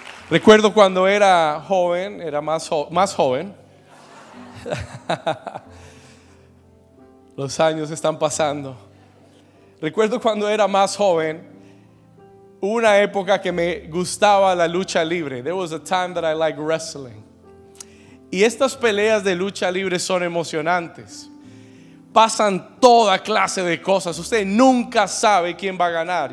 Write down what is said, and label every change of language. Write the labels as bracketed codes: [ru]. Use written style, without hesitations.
[es] Recuerdo cuando era joven, era más joven. Los años están pasando. Recuerdo cuando era más joven, una época que me gustaba la lucha libre. [en] There was a time that I liked wrestling. [es] Y estas peleas de lucha libre son emocionantes. Pasan toda clase de cosas. Usted nunca sabe quién va a ganar.